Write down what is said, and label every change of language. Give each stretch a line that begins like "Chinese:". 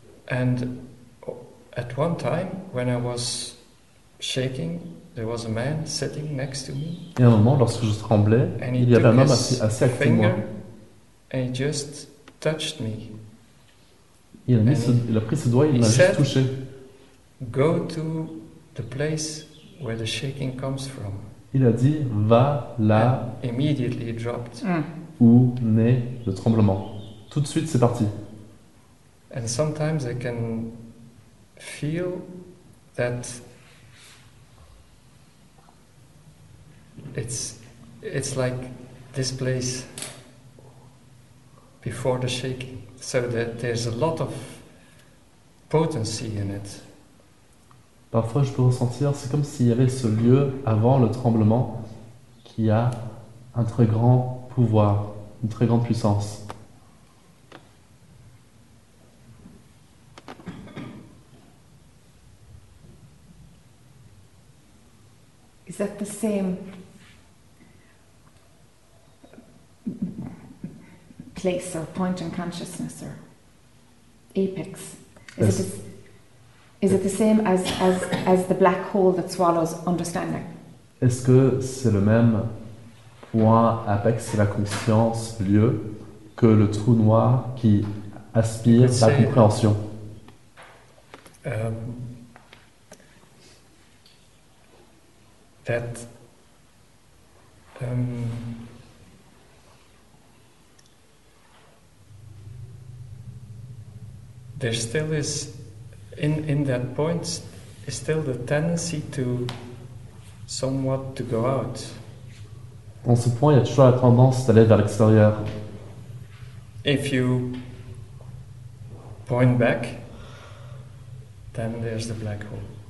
English: And at one time, when I was shaking, there was a man sitting next to me.
French: Et à un moment, lorsque je tremblais, il y avait un homme assis à côté de moi.
English: And he just touched me.
French: Il a pris ses doigts et il m'a juste touché.
English: Go to the place where the shaking comes from.
French: Il a dit, va là.
English: And immediately it dropped. Mm.
French: Où naît le tremblement. Tout de suite, c'est parti.
English: And sometimes I can feel that it's like this place before the shaking, so that there's a lot of potency in it.
French: Parfois je peux ressentir, c'est comme s'il y avait ce lieu avant le tremblement qui a un très grand pouvoir, une très grande puissance.
English: Is that the same place or point in consciousness or apex? Is it the same as the black hole that swallows understanding?
French: Est-ce que c'est le même point apex, c'est la conscience, lieu, que le trou noir qui aspire la compréhension?
English: That there still is in that point is still the tendency to somewhat to go out.
French: Dans ce point, il y a toujours la tendance d'aller vers l'extérieur.
English: If you point back, then there's the black hole.